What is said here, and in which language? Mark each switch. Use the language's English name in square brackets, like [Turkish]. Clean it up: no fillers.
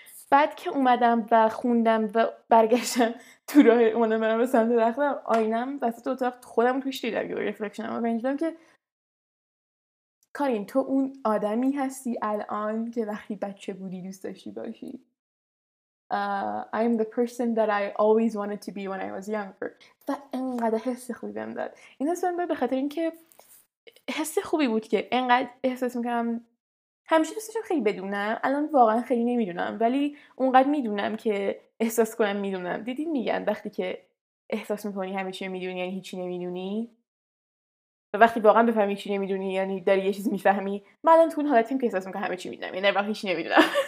[Persian] بعد که اومدم و خوندم و برگشتم تو راه اومدم برم به سمت تختم، آینم وسط اتاق خودم توش دیدم یه رفلکشنم و فهمیدم که کارین تو اون آدمی هستی الان که وقتی بچه بودی دوست داشتی باشی. [English] I'm the person that I always wanted to be when I was younger. [Persian] و انقدر حس خوبی بهم داد. این حس بهم داد به خاطر اینکه حس خوبی بود که انقدر احساس میکنم همیشه دوستشو خیلی بدونم، الان واقعا خیلی نمیدونم ولی اونقدر میدونم که احساس کنم میدونم. دیدین میگن وقتی که احساس میکنی همه چی میدونی یعنی هیچی نمیدونی، و وقتی واقعا بفهمی هیچی نمیدونی یعنی داری یه چیز میفهمی. من الان تو اون حالتیم که احساس میکنم همه چی میدونم، یعنی واقعا هیچی نمیدونم.